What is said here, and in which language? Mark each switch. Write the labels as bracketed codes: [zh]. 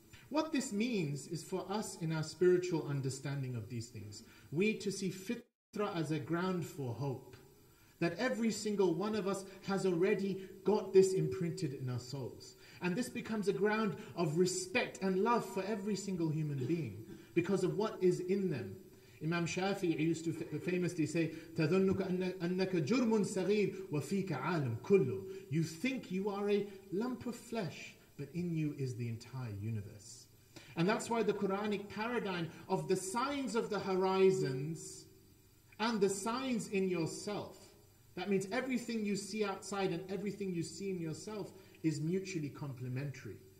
[en] What this means is for us in our spiritual understanding of these things, we to see fitra as a ground for hope. That every single one of us has already got this imprinted in our souls. And this becomes a ground of respect and love for every single human being because of what is in them. Imam Shafi'i used to famously say, [ar] تَذُنُّكَ أَنَّكَ جُرْمٌ سَغِيرٌ وَفِيكَ عَالَمٌ كُلُّ. [en] You think you are a lump of flesh, but in you is the entire universe. And that's why the Quranic paradigm of the signs of the horizons and the signs in yourself, that means everything you see outside and everything you see in yourself is mutually complementary.